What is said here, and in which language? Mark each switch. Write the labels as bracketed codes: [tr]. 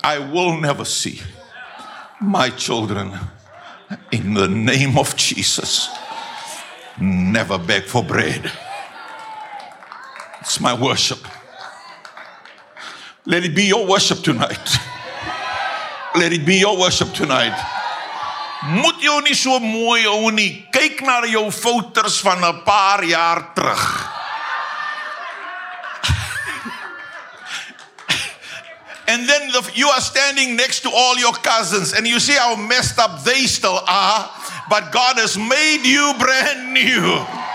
[en] I will never see my children in the name of Jesus. Never beg for bread. It's my worship. Let it be your worship tonight. Let it be your worship tonight. [af] Moet jou nie so mooi hou nie. Kyk na jou foto's van 'n paar jaar terug. [en] And then you are standing next to all your cousins and you see how messed up they still are, but God has made you brand new.